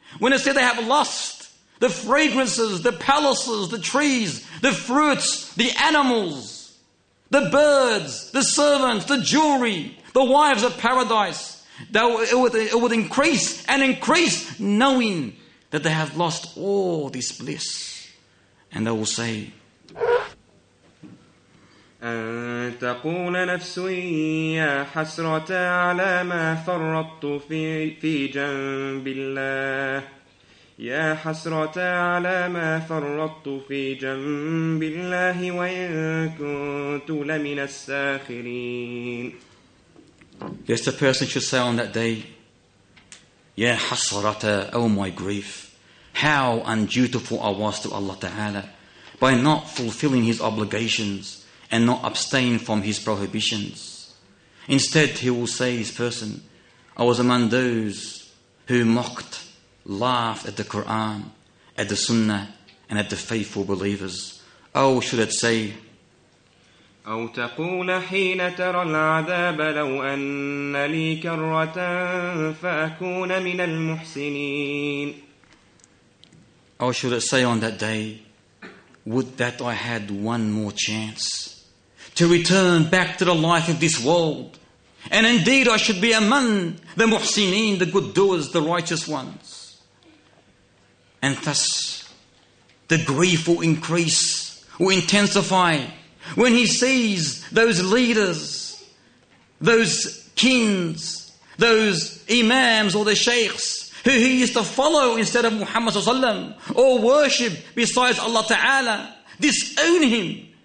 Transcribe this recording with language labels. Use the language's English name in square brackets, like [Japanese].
[English] When they say they have lost the fragrances, the palaces, the trees, the fruits, the animals, the birds, the servants, the jewelry, the wives of paradise, it would increase and increase, knowing that they have lost all this bliss. And they will say, [Arabic] أن تقول نفسي يا حسرة على ما فرطت في جنب الله يا حسرة على ما فرطت في جنب الله وإن كنت لمن الساخرين. [English] Yes, the person should say on that day, [Arabic] يا حسرة, [English] oh my grief, how undutiful I was to Allah Ta'ala by not fulfilling His obligations and not abstain from His prohibitions. Instead, he will say, his person, I was among those who mocked, laughed at the Quran, at the Sunnah, and at the faithful believers. Oh, should it say, [Arabic] أو تقول حين ترى العذاب لو أن لي كرة فأكون من المحسنين. [English] Oh, should it say on that day, would that I had one more chance to return back to the life of this world. And indeed I should be among the muhsineen, the good doers, the righteous ones. And thus the grief will increase, will intensify when he sees those leaders, those kings, those imams or the sheikhs who he used to follow instead of Muhammad sallallahu alaihi wasallam or worship besides Allah Ta'ala, disown him.